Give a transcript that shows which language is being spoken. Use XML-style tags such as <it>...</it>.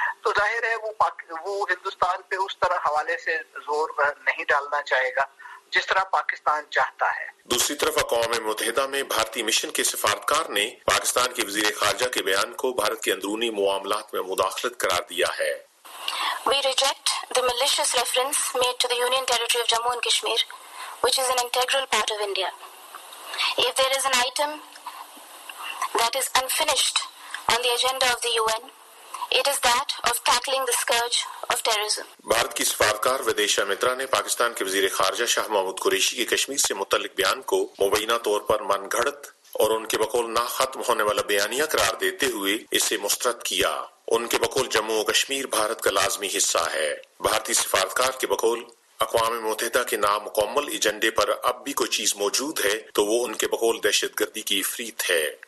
<ur>تو ظاہر ہے وہ ہندوستان پہ اس طرح حوالے سے زور نہیں ڈالنا چاہے گا جس طرح پاکستان چاہتا ہے. دوسری طرف اقوام متحدہ میں بھارتی مشن کے سفارتکار نے پاکستان کے وزیر خارجہ کے بیان کو بھارت کے اندرونی معاملات میں مداخلت قرار دیا ہے.</ur> <en>We reject the malicious reference made to the Union Territory of Jammu and Kashmir, which is an integral part of India. If there is an item that is unfinished on the agenda of the UN, it is that of tackling the scourge of terrorism.</en> <ur>Bharat کی سفارتکار ودیشا مترا نے پاکستان کے وزیر خارجہ شاہ محمود قریشی کے کشمیر سے متعلق بیان کو مبینہ طور پر من گھڑت اور ان کے بقول نہ ختم ہونے والا بیانیہ قرار دیتے ہوئے اسے مسترد کیا. ان کے بقول جموں و کشمیر بھارت کا لازمی حصہ ہے. بھارتی سفارتکار کے بقول اقوام متحدہ کے نامکمل ایجنڈے پر اب بھی کوئی چیز موجود ہے تو وہ ان کے بقول دہشت گردی کی افریت ہے.</ur>